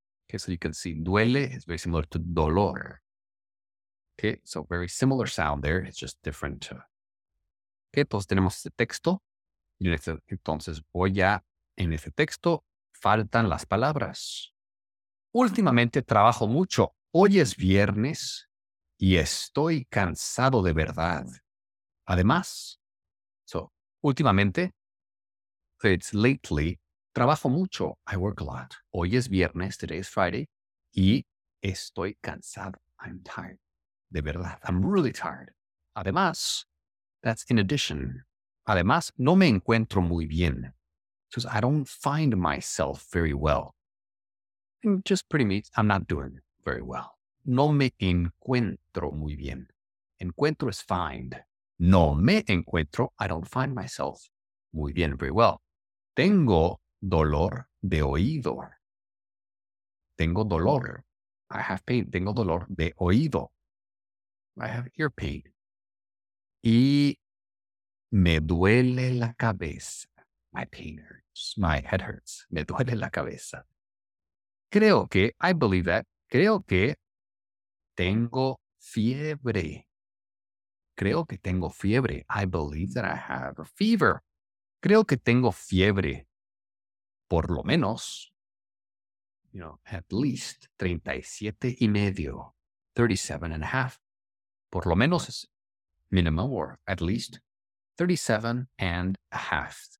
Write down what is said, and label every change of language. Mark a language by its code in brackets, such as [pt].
[en] Okay, so you can see, duele is very similar to dolor. Okay, so very similar sound there. It's just different. [es] Okay, entonces tenemos este texto. Y en este, entonces voy a, en este texto, faltan las palabras. Últimamente trabajo mucho. Hoy es viernes y estoy cansado de verdad. [en] Además, so, últimamente, it's lately, [es] trabajo mucho. [en] I work a lot. [es] Hoy es viernes, [en] today is Friday, [es] y estoy cansado. [en] I'm tired. [es] De verdad, [en] I'm really tired. Además, that's in addition. [es] Además, no me encuentro muy bien. [en] So I don't find myself very well. And just pretty much, I'm not doing very well. [es] No me encuentro muy bien. Encuentro [en] is find. [es] No me encuentro, [en] I don't find myself [es] muy bien, [en] very well. [es] Tengo dolor de oído. Tengo dolor. [en] I have pain. [es] Tengo dolor de oído. [en] I have ear pain. [es] Y me duele la cabeza. [en] My pain hurts. My head hurts. [es] Me duele la cabeza. Creo que, [en] I believe that, [es] creo que tengo fiebre. Creo que tengo fiebre. [en] I believe that I have a fever. [es] Creo que tengo fiebre. Por lo menos, [en] you know, at least [es] 37 y medio. [en] 37 and a half. [es] Por lo menos es [en] minimum or at least 37 and a half.